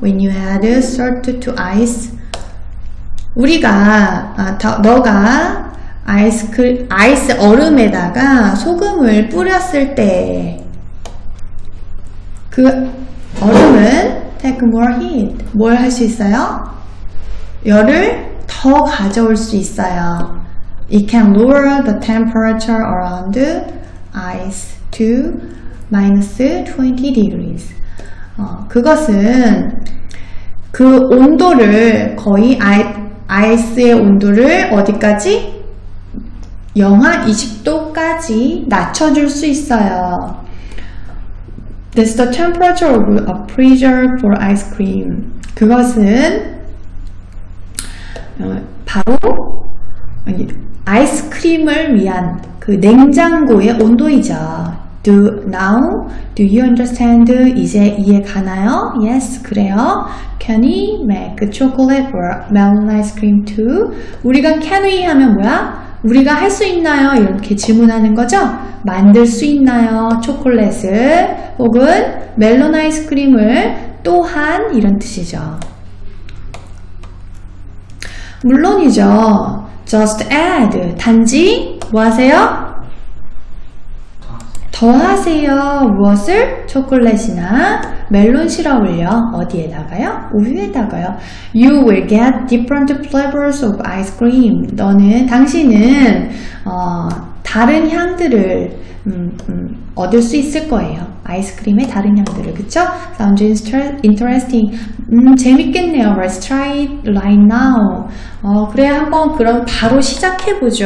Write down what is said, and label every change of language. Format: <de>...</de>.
<en>When you add salt to ice,</en> <ko>너가 아이스 얼음에다가 소금을 뿌렸을 때, 그 얼음은</ko> <en>take more heat.</en> <ko>뭘할수 있어요? 열을 더 가져올 수 있어요.</ko> <en>It can lower the temperature around ice to minus 20 degrees.</en> <ko>그것은 그 온도를 거의 아이스의 온도를 어디까지? 영하 20도까지 낮춰줄 수 있어요.</ko> <en>That's the temperature of a freezer for ice cream.</en> <ko>그것은 바로 아이스크림을 위한 그 냉장고의 온도이죠.</ko> <en>Do you understand?</en> <ko>이제 이해 가나요?</ko> <en>Yes,</en> <ko>그래요.</ko> <en>Can we make a chocolate or melon ice cream too?</en> <ko>우리가</ko> <en>can we</en> <ko>하면 뭐야? 우리가 할 수 있나요? 이렇게 질문하는 거죠. 만들 수 있나요? 초콜릿을 혹은 멜론 아이스크림을 또한 이런 뜻이죠. 물론이죠.</ko> <en>Just add.</en> <ko>단지 뭐 하세요? 더 하세요. 무엇을? 초콜릿이나 멜론 시럽을요. 어디에다가요? 우유에다가요.</ko> <en>You will get different flavors of ice cream.</en> <ko>당신은 다른 향들을 얻을 수 있을 거예요. 아이스크림의 다른 향들을. 그쵸?</ko> <en>Sounds interesting.</en> <ko>재밌겠네요.</ko> <en>Let's try it right now.</en> <ko>그래, 한번 그럼 바로 시작해보죠.</ko>